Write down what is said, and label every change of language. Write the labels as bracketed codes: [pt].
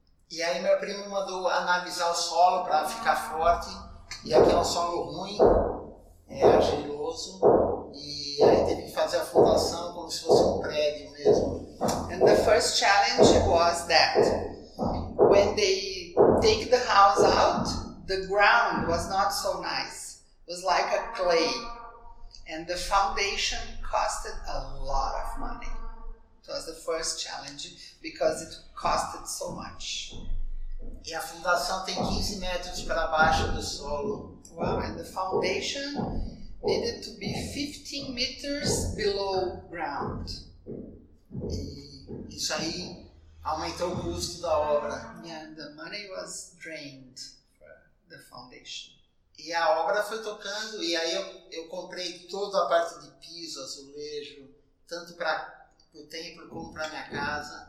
[pt] E aí meu primo mandou analisar o solo para ficar forte, e aqui é um solo ruim, é argiloso, e aí teve que fazer a fundação como se fosse um prédio mesmo. [en] And the first challenge was that when they take the house out, the ground was not so nice. It was like a clay. And the foundation costed a lot of money. It was the first challenge because it costed so much. [pt] E a fundação tem 15 metros para baixo do solo. [en] Wow, and the foundation needed to be 15 meters below ground. [pt] E isso aí aumentou o custo da obra. [en] Yeah, the money was drained for the foundation. [pt] E a obra foi tocando, e aí eu comprei toda a parte de piso, azulejo, tanto para o templo como para minha casa.